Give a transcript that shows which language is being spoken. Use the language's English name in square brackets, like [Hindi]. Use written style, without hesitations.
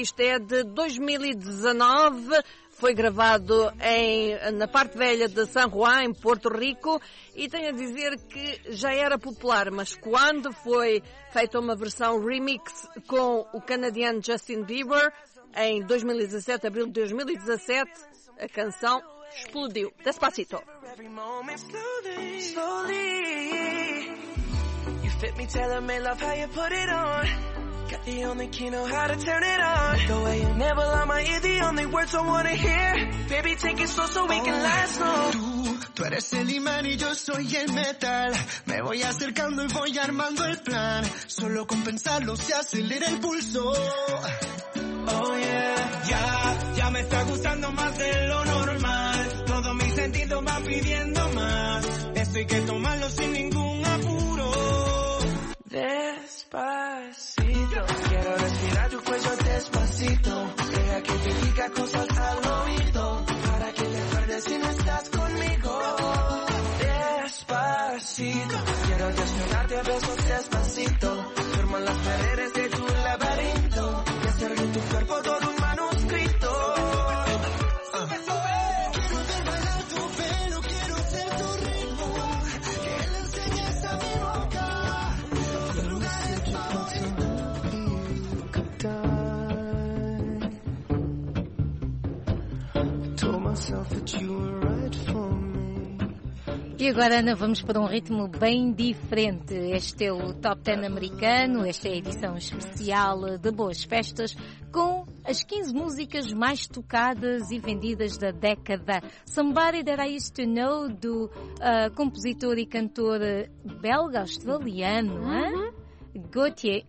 [Portuguese] Isto é de 2019, foi gravado na parte velha de San Juan, em Porto Rico, e tenho a dizer que já era popular, mas quando foi feita uma versão remix com o canadiano Justin Bieber, em 2017, abril de 2017, a canção explodiu. [Spanish] Despacito. [English] Slowly, you fit me, tell me love how you put it on. Got the only key, know how to turn it on. The way you never lie, my ear, the only words I wanna hear. Baby, take it slow so we can last long. [Spanish] Tú eres el imán y yo soy el metal. Me voy acercando y voy armando el plan. Solo con pensarlo se acelera el pulso. Oh yeah, ya, ya me está gustando más de lo normal. Todo mi sentido va pidiendo más. Esto hay que tomarlo sin ningún apuro. Despacito, quiero respirar tu cuello despacito. Deja que te diga cosas al oído, para que te acuerdes si no estás conmigo. Despacito, quiero desnudarte a besos despacito. Firmo las paredes de tu laberinto. Tu cuerpo todo un manuscrito. Sube, sube. Quiero bailar tu pelo, quiero ser tu ritmo. Que le enseñes a mi boca tu lugar en tu cantar. [English] Told myself that you were right for me. [Portuguese] E agora, Ana, vamos para um ritmo bem diferente. Este é o Top 10 americano, esta é a edição especial de Boas Festas, com as 15 músicas mais tocadas e vendidas da década. Somebody That I Used To Know, do compositor e cantor belga-australiano, Gautier.